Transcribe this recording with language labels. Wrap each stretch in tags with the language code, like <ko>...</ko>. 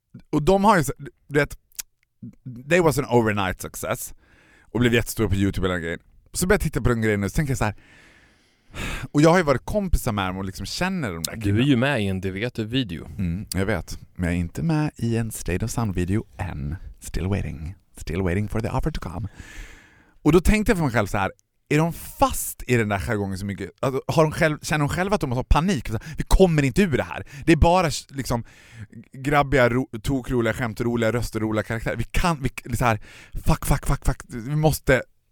<sv>Och de har ju, du vet,</sv> <en>they was an overnight success</en> <sv>och blev jättestor på YouTube eller grejen. Så började jag titta på den grejen och så tänkte jag så här, och jag har ju varit kompisar med dem och liksom känner dem där. Du är ju med i en det vet du video. Mm, jag vet, men jag är inte med i en State of Sound video än.</sv> <en>Still waiting for the offer to come.</en> <sv>Och då tänkte jag för mig själv så här, är de fast i den där jargongen så mycket? Alltså, har de själv, känner de själva att de måste ha panik? Vi kommer inte ur det här. Det är bara liksom grabbiga, tokroliga, skämtroliga, rösteroliga karaktärer. Vi kan, så här, fuck. Vi måste.</sv>